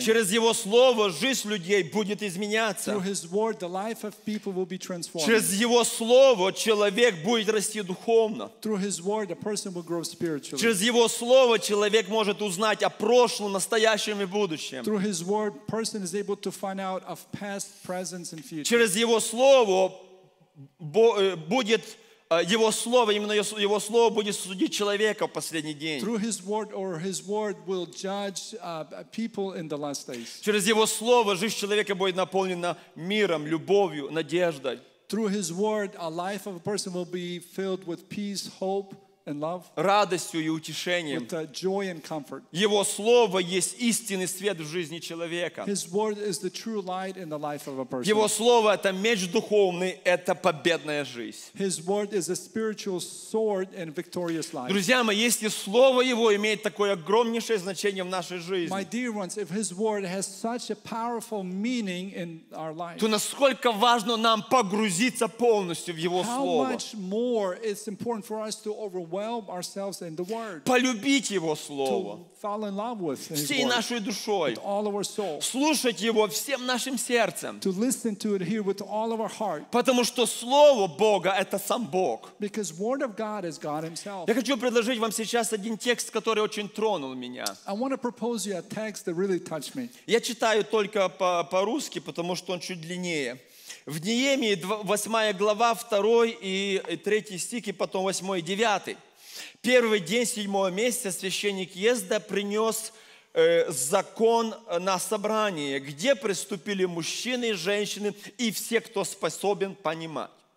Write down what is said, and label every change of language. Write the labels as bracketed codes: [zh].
[ru] Через Его слово жизнь людей будет изменяться. [en] Through His word, the life of people will be transformed. [ru] Через Его слово человек будет расти духовно. [en] Through His word, a person will grow spiritually. [ru] Через Его слово человек может узнать о прошлом, настоящем и будущем. [en] Through His word, a person is able to find out of past, present, and future. [ru] Через Его слово будет Его слово, именно Его слово будет судить человека в последний день. [en] Through His word, or His word will judge people in the last days. [ru] Через Его слово жизнь человека будет наполнена миром, любовью, надеждой. [en] Through His word, a life of a person will be filled with peace, hope, and love, [ru] радостью и утешением. [en] With joy and comfort. [ru] Его слово есть истинный свет в жизни человека. [en] His word is the true light in the life of a person. [ru] Его слово это меч духовный, это победная жизнь. [en] His word is a spiritual sword and victorious life. [ru] Друзья мои, если слово Его имеет такое огромнейшее значение в нашей жизни, [en] my dear ones, if His word has such a powerful meaning in our life, [ru] то насколько важно нам погрузиться полностью в Его слово. [en] How much more is important for us to overwhelm ourselves in the word, [ru] полюбить Его слово, [en] to fall in love with His [ru] всей нашей душой, [en] with all of our soul, [ru] слушать Его всем нашим сердцем, [en] to listen to it here with all of our heart, [ru] потому что слово Бога это сам Бог. [en] Because word of God is God Himself. [ru] Я хочу предложить вам сейчас один текст, который очень тронул меня. [en] I want to propose you a text that really touched me. [ru] Я читаю только по-русски, потому что он чуть длиннее. В Неемии 8 глава, 2 и 3 стих, и потом 8 и 9. Первый день 7 месяца священник Езда принес закон на собрание, где приступили мужчины и женщины и все, кто способен понимать.